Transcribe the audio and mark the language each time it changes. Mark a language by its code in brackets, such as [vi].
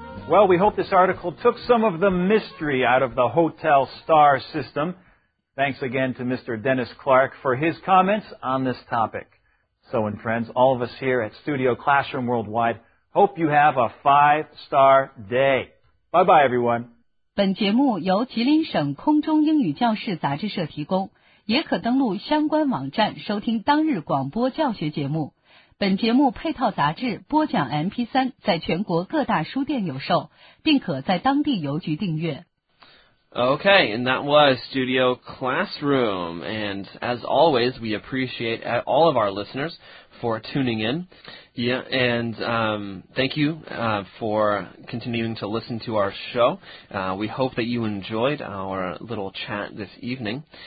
[en] Well, we hope this article took some of the mystery out of the hotel star system. Thanks again to Mr. Dennis Clark for his comments on this topic. So, and friends, all of us here at Studio Classroom Worldwide hope you have a five-star day. Bye-bye, everyone. [zh] 本节目由吉林省空中英语教室杂志社提供，也可登录相关网站收听当日广播教学节目。本节目配套杂志播讲 MP3 在全国各大书店有售，并可在当地邮局订阅。 [en] Okay, and that was Studio Classroom. And as always, we appreciate all of our listeners for tuning in. Yeah, and thank you for continuing to listen to our show. We hope that you enjoyed our little chat this evening.